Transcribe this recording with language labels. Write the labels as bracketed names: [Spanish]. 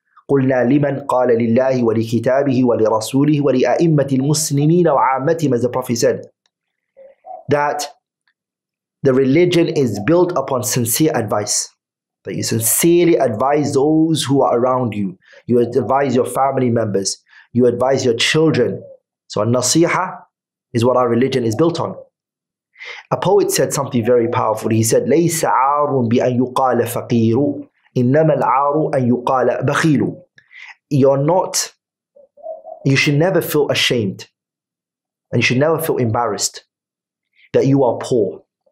[Arabic] قلنا لمن قال لله ولكتابه ولرسوله ولأئمة المسلمين وعامتهم, [English] as the Prophet said, that the religion is built upon sincere advice. That you sincerely advise those who are around you. You advise your family members. You advise your children. So nasiha is what our religion is built on. A poet said something very powerful. He said, [Arabic] ليس عار بأن يقال فقير إنما العار أن يقال بخيل. [English] You should never feel ashamed, and you should never feel embarrassed that you are poor.